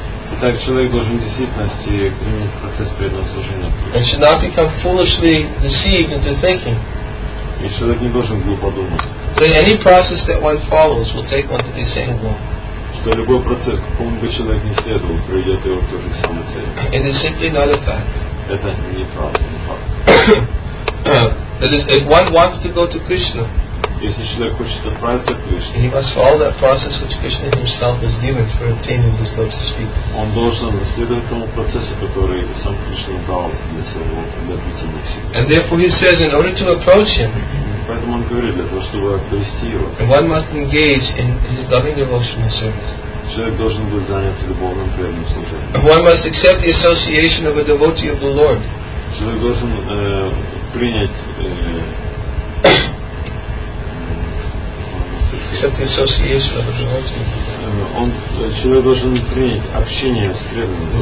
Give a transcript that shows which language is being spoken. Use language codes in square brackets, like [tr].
[ru] Итак, человек должен в действительности принять процесс преданного служения. [en] And should not become foolishly deceived into thinking. [ru] И человек не должен глупо думать. [en] That any process that one follows will take one to the same goal. [ru] Что любой процесс, какому бы человек ни следовал, приведет его к той же самой цели. [en] It is simply not a fact. [ru] Это не правда, не факт. [en] That is, if one wants to go to Krishna. [ru] Если человек хочет отправиться к Кришне. [en] He must follow that process which Krishna himself has given for obtaining his lotus feet. [ru] Он должен следовать тому процессу, который сам Кришна дал для своего приобретения к себе. [en] And therefore he says, in order to approach him. [ru] Поэтому он говорит, для того, чтобы обрести его. [en] One must engage in his loving devotional service. [ru] Человек должен быть занят любовным преданным служением. [en] One must accept the association of a devotee of the Lord. [ru] Человек должен принять [en] Except the association of the devotee. [ru] Человек должен принять общение с преданным.